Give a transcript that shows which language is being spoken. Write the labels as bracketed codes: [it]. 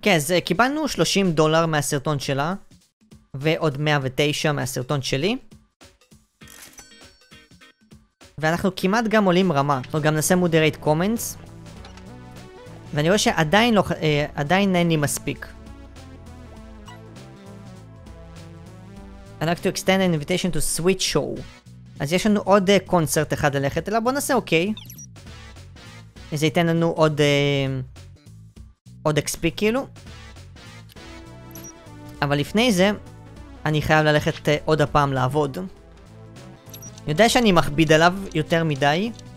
[he] כן, אז קיבלנו $30 מהסרטון שלה. ועוד 109 מהסרטון שלי. ואנחנו כמעט גם עולים רמה. אנחנו גם נעשה מודרייט קומנטס. ואני רואה שעדיין לא, עדיין אין לי מספיק. [en] I'd like to extend an invitation to sweet show. [he] אז יש לנו עוד קונצרט אחד ללכת אליו, בוא נעשה אוקיי. זה ייתן לנו עוד... עוד XP כאילו. אבל לפני זה, אני חייב ללכת עוד הפעם לעבוד. אני יודע שאני מכביד עליו יותר מדי.